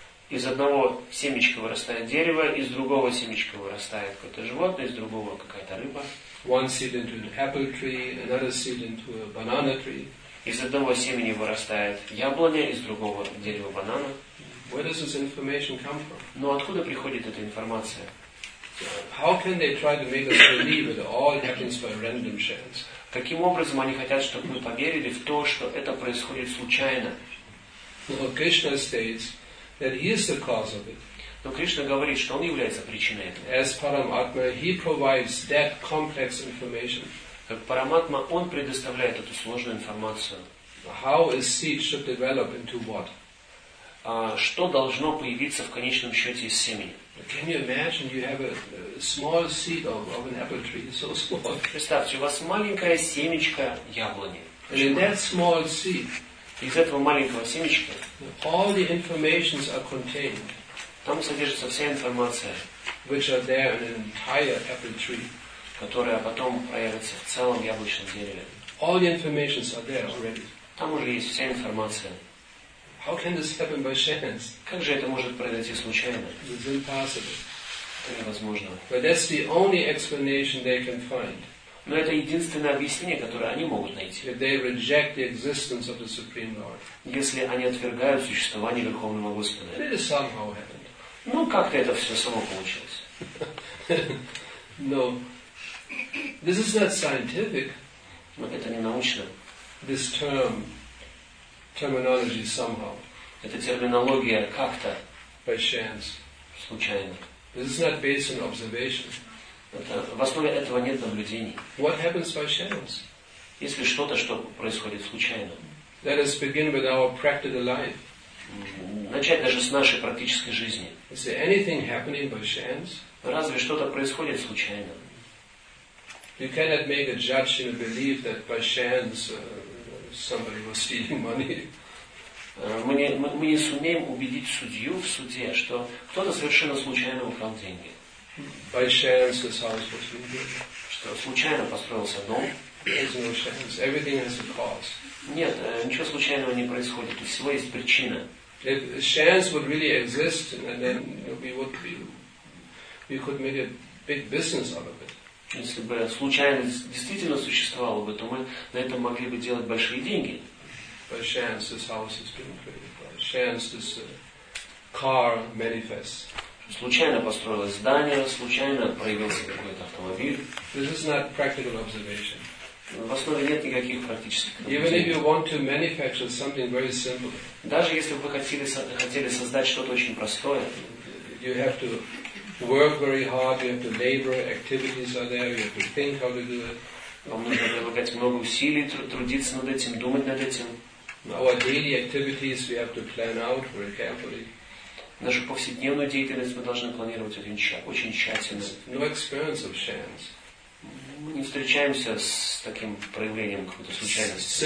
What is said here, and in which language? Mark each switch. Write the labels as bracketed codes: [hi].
[ru] Из одного семечка вырастает дерево, из другого семечка вырастает какое-то животное, из другого какая-то рыба. [en] One seed into an apple tree, another seed into a banana tree. [ru] Из одного семени вырастает яблоня, из другого дерево банана. [en] Where does this information come from? [ru] Но откуда приходит эта информация? [en] How can they try to make us believe that all happens by random chance? [ru] Каким образом они хотят, чтобы мы поверили в то, что это происходит случайно? [en] Well, Krishna states that he is the cause of it. [ru] Но Кришна говорит, что он является причиной этого. [en] As Paramatma, he provides that complex information. [ru] Как Параматма, он предоставляет эту сложную информацию. [en] How a seed should develop into what? [ru] Что должно появиться в конечном счете из семени? [en] Can you imagine you have a small seed of an apple tree, so small? [ru] Представьте, у вас маленькое семечко яблони. [en] And in that small seed, [ru] из этого маленького семечка, [en] all the informations are contained. [ru] Там содержится вся информация, [en] which are there in an entire apple tree, [ru] которая потом проявится в целом яблочном дереве. [en] All the informations are there already. [ru] Там уже есть вся информация. [en] How can this happen by chance? [ru] Как же это может произойти случайно? [en] It's impossible. [ru] Это невозможно. [en] But that's the only explanation they can find. [ru] Но это единственное объяснение, которое они могут найти. [en] If they reject the existence of the Supreme Lord. [ru] Если они отвергают существование Верховного Господа. [en] It is somehow happened. [ru] Ну, как-то это все само получилось. [en] No. This is not scientific. [ru] Но это не научно. [en] This term. Terminology somehow. [ru] Это терминология как-то. [en] By chance. [ru] Случайно. [en] This is not based on observation. [ru] Это, в основе этого нет наблюдений. [en] What happens by chance? [ru] Если что-то, что происходит случайно. [en] Let us begin with our practical life. [ru] Начать даже с нашей практической жизни. [en] Is there anything happening by chance? [ru] Разве что-то происходит случайно? [en] You cannot make a judgment and believe that by chance. Somebody was stealing money. [ru] Мы не сумеем убедить судью в суде, что кто-то совершенно случайно украл деньги. [en] By chance this house was moved. [ru] Что случайно построился дом. [en] There's no chance. Everything has a cause. [ru] Нет, ничего случайного не происходит. У всего есть причина. [en] If chance would really exist, and then we could make a big business out of it. [ru] Если бы случайность действительно существовала бы, то мы на этом могли бы делать большие деньги. [en] By chance this house has been created. By chance this car manifests. [ru] Случайно построилось здание, случайно проявился какой-то автомобиль. [en] This is not practical observation. [ru] В основе нет никаких практических наблюдений. [en] Even if you want to manufacture something very simple. [ru] Даже если бы вы хотели создать что-то очень простое. [en] You have to work very hard, you have to labor, activities are there, you have to think how to do it. [ru] Вам нужно прилагать много усилий, трудиться над этим, думать над этим. [en] Our daily activities we have to plan out very carefully. [ru] Нашу повседневную деятельность мы должны планировать очень тщательно. [en] No experience of chance. [ru] Мы не встречаемся с таким проявлением какой-то случайности.